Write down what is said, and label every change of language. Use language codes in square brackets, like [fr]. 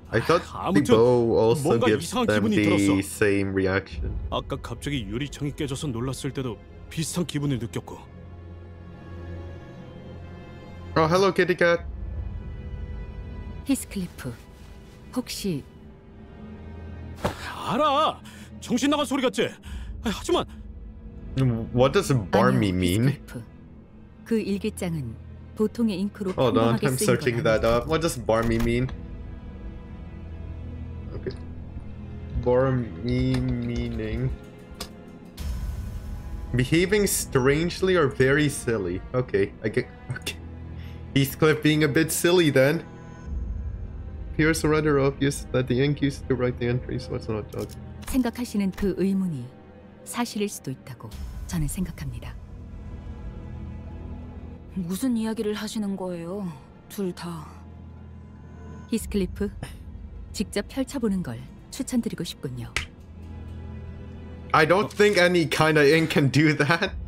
[en] I thought the bow also gives them the same reaction. [ko] 아까 갑자기 유리창이 깨져서 놀랐을 때도 비슷한 기분을 느꼈고. [en] Oh, hello, kitty cat. [ko] Heathcliff, 혹시 알아? 정신 나간 소리 같지? 하지만 [en] What does barmy mean? [ko] 그 일기장은 보통의 잉크로 [en] Hold on, I'm searching that up. What does barmy mean? Okay. Barmy meaning behaving strangely or very silly. Okay, I get. Okay. Heathcliff being a bit silly then. Here's rather obvious that the ink used to write the entries was not dog. [ko] 생각하시는 그 의문이 사실일 수도 있다고 저는 생각합니다. 무슨 이야기를 하시는 거예요? 둘 다. 히스클리프, 직접 펼쳐보는 걸 추천드리고 싶군요. [en] I don't think any kind of ink can do that.